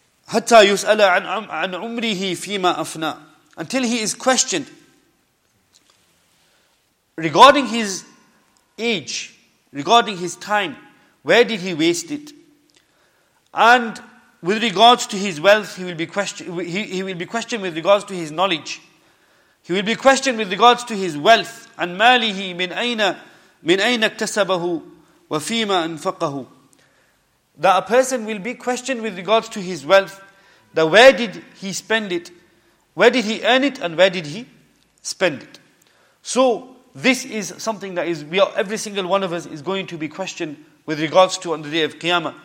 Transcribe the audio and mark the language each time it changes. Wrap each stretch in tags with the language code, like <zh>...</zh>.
<ar>an umrihi fima afna,</ar> <en>until he is questioned regarding his age, regarding his time, where did he waste it? And with regards to his wealth, he will be questioned with regards to his knowledge. He will be questioned with regards to his wealth.</en> <ar>And مَالِهِ مِنْ أَيْنَ اكْتَسَبَهُ وَفِيمَ أَنْفَقَهُ.</ar> <en>That a person will be questioned with regards to his wealth, that where did he spend it, where did he earn it, and where did he spend it. So this is something that is, we are, every single one of us is going to be questioned with regards to on the day of Qiyamah.</en>